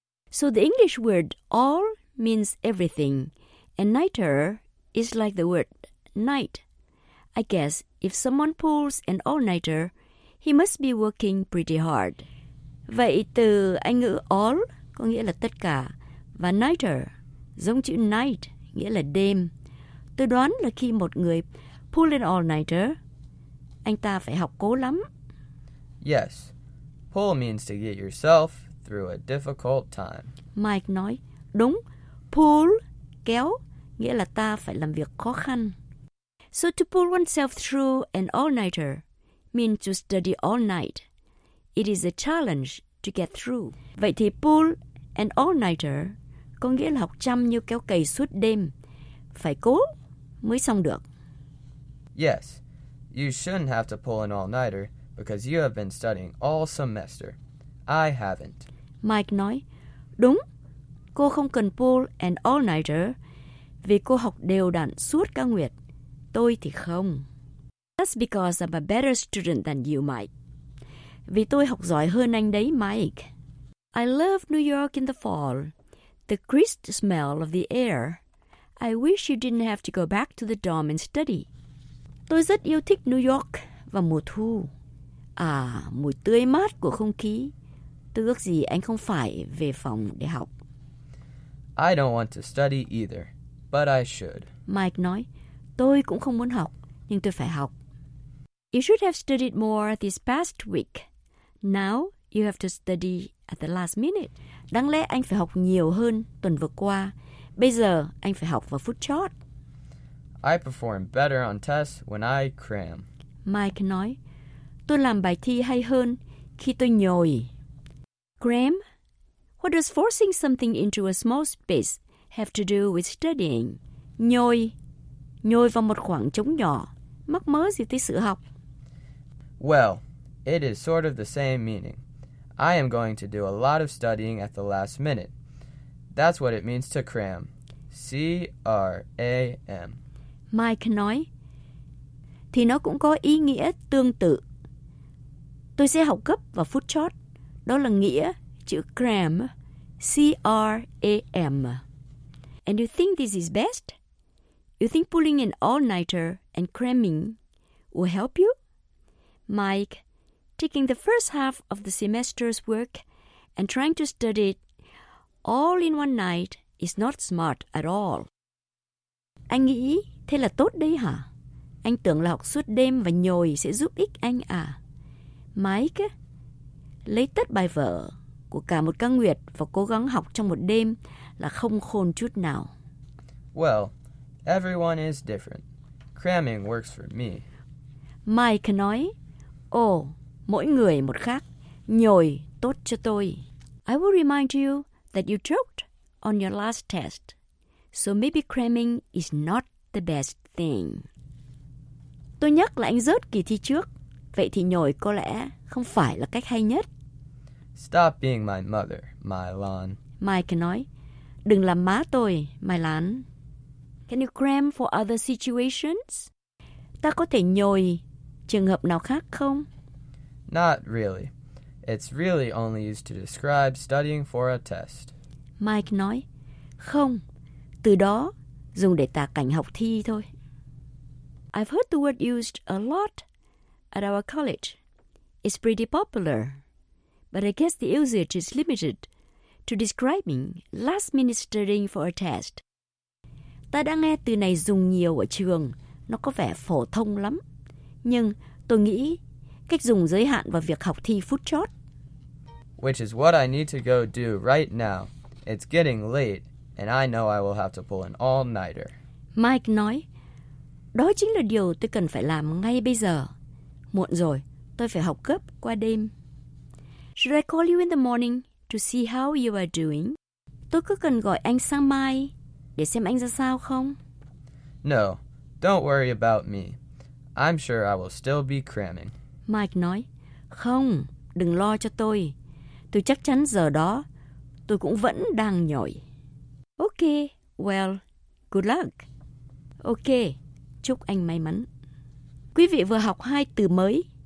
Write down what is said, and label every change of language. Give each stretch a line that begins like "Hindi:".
English: So the English word all means everything, and nighter is like the word night. I guess if someone pulls an all-nighter, he must be working pretty hard.
Vietnamese: Vậy từ Anh ngữ all có nghĩa là tất cả, và nighter giống chữ night nghĩa là đêm. Tôi đoán là khi một người
English: pull an all-nighter,
Vietnamese: Anh ta phải học cố lắm.
English: Yes. Pull means to get yourself through a difficult time.
Vietnamese: Mike nói, đúng. Pull, kéo, nghĩa là ta phải làm việc khó khăn.
English: So to pull oneself through an all-nighter means to study all night. It is a challenge to get through.
Vietnamese: Vậy thì pull an all-nighter có nghĩa là học chăm như kéo cày suốt đêm. Phải cố mới xong được.
English: Yes, you shouldn't have to pull an all-nighter because you have been studying all semester. I haven't.
Vietnamese: Mike nói, đúng, cô không cần
English: pull an all-nighter
Vietnamese: vì cô học đều đặn suốt cả nguyệt. Tôi thì không.
English: That's because I'm a better student than you, Mike.
Vietnamese: Vì tôi học giỏi hơn anh đấy, Mike.
English: I love New York in the fall. The crisp smell of the air. I wish you didn't have to go back to the dorm and study.
Vietnamese: Tôi rất yêu thích New York vào mùa thu. À, mùi tươi mát của không khí. Tôi ước gì anh không phải về phòng để học.
English: I don't want to study either, but I should.
Vietnamese: Mike nói, tôi cũng không muốn học, nhưng tôi phải học.
English: You should have studied more this past week. Now you have to study at the last minute.
Vietnamese: Đáng lẽ anh phải học nhiều hơn tuần vừa qua. Bây giờ anh phải học vào phút chót.
English: I perform better on tests when I cram.
Vietnamese: Mike nói, tôi làm bài thi hay hơn khi tôi nhồi.
English: Cram? What does forcing something into a small space have to do with studying?
Vietnamese: Nhồi. Nhồi vào một khoảng trống nhỏ. Mắc mớ gì tới sự học.
English: Well, it is sort of the same meaning. I am going to do a lot of studying at the last minute. That's what it means to cram. C-R-A-M.
Vietnamese: Mike nói, thì nó cũng có ý nghĩa tương tự. Tôi sẽ học gấp vào phút chót. Đó là nghĩa chữ cram. C-R-A-M.
English: And you think this is best? You think pulling an all-nighter and cramming will help you? Mike, taking the first half of the semester's work and trying to study it all in one night is not smart at all.
Vietnamese: Anh nghĩ thế là tốt đấy hả? Anh tưởng là học suốt đêm và nhồi sẽ giúp ích anh à? Mike, lấy tất bài vở của cả một căn nguyệt và cố gắng học trong một đêm là không khôn chút nào.
English: Well, everyone is different. Cramming works for me.
Vietnamese: Mike nói, oh, mỗi người một khác. Nhồi tốt cho tôi.
English: I will remind you that you choked on your last test. So maybe cramming is not the best thing.
Vietnamese: Tôi nhắc là anh rớt kỳ thi trước. Vậy thì nhồi có lẽ không phải là cách hay nhất.
English: Stop being my mother, Mylan.
Vietnamese: Mike nói, đừng làm má tôi, Mylan.
English: Can you cram for other situations?
Vietnamese: Ta có thể nhồi trường hợp nào khác không?
English: Not really. It's really only used to describe studying for a test.
Vietnamese: Mike nói, không, từ đó dùng để tả cảnh học thi thôi.
English: I've heard the word used a lot at our college. It's pretty popular. But I guess the usage is limited to describing last-minute studying for a test.
Vietnamese: Ta đã nghe từ này dùng nhiều ở trường, nó có vẻ phổ thông lắm. Nhưng tôi nghĩ cách dùng giới hạn vào việc học thi phút chót.
English: Which is what I need to go do right now. It's getting late and I know I will have to pull an all-nighter.
Vietnamese: Mike nói, đó chính là điều tôi cần phải làm ngay bây giờ. Muộn rồi, tôi phải học gấp qua đêm.
English: Should I call you in the morning to see how you are doing?
Vietnamese: Tôi cứ cần gọi anh sáng mai để xem anh ra sao không?
English: No, don't worry about me. I'm sure I will still be cramming.
Vietnamese: Mike nói, không, đừng lo cho tôi. Tôi chắc chắn giờ đó, tôi cũng vẫn đang nhồi.
English: Okay, well, good luck.
Vietnamese: Okay, chúc anh may mắn. Quý vị vừa học hai từ mới.